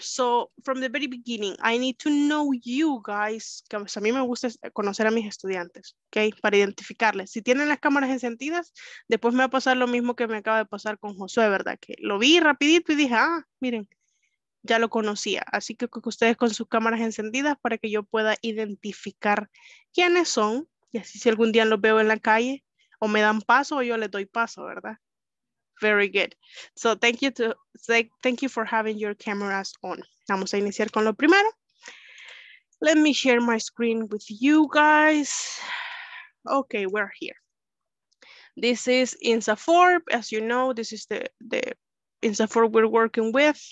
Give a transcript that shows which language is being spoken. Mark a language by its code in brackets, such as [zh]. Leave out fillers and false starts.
[en] So from the very beginning, I need to know you guys. [es] A mí me gusta conocer a mis estudiantes, okay, para identificarles. Si tienen las cámaras encendidas, después me va a pasar lo mismo que me acaba de pasar con Josué, ¿verdad? Que lo vi rapidito y dije, ah, miren, ya lo conocía. Así que ustedes con sus cámaras encendidas para que yo pueda identificar quiénes son. Y así si algún día los veo en la calle, o me dan paso o yo les doy paso, ¿verdad? [en] Very good. So thank you for having your cameras on. [es] Vamos a iniciar con lo primero. [en] Let me share my screen with you guys. Okay, we're here. This is INSAFORP. As you know, this is the INSAFORP we're working with.